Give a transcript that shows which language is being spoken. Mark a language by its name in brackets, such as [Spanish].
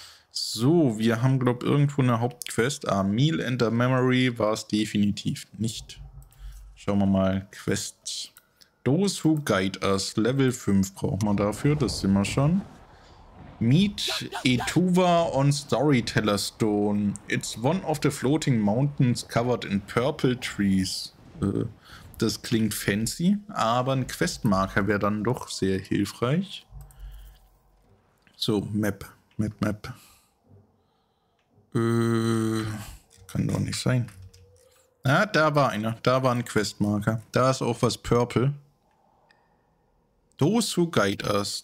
[German] So, wir haben, glaube ich, irgendwo eine Hauptquest. Ah, Meal and a Memory war es definitiv nicht. Schauen wir mal, Quests. Those who guide us. Level 5 braucht man dafür, das sind wir schon. [English] Meet Etuva on Storyteller Stone. It's one of the floating mountains covered in purple trees. [German] Das klingt fancy, aber ein Questmarker wäre dann doch sehr hilfreich. So, Map. Kann doch nicht sein. Ah, da war einer. Da war ein Questmarker. Da ist auch was Purple. Those who guide us.